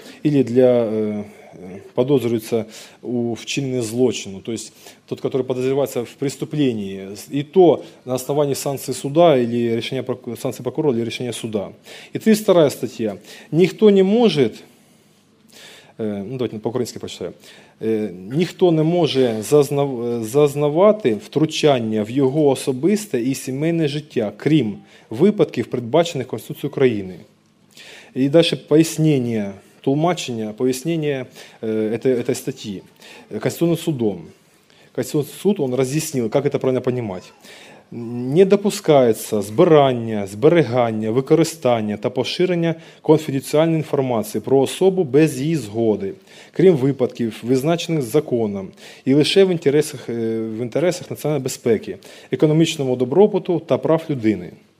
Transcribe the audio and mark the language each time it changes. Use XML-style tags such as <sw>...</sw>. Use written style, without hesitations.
<ru>Или для подозревается в чиненном злочине. То есть тот, который подозревается в преступлении. И то на основании санкции суда или решения санкции прокурора или решения суда. И 32 статья. Никто не может... Ну, давайте по-украински прочитаю.</ru> <uk>Ніхто не може зазнавати втручання в його особисте і сімейне життя, крім випадків, передбачених Конституцією України. І далі пояснення тлумачення, пояснення цієї статті Конституційним судом.</uk> <ru>Конституционный суд, он разъяснил, как это правильно понимать. Не допускается</ru> <uk>збирання, зберегання, використання та поширення конфіденціальної інформації про особу без її згоди, крім випадків, визначених законом, і лише в інтересах національної безпеки, економічного добробуту та прав людини.</uk>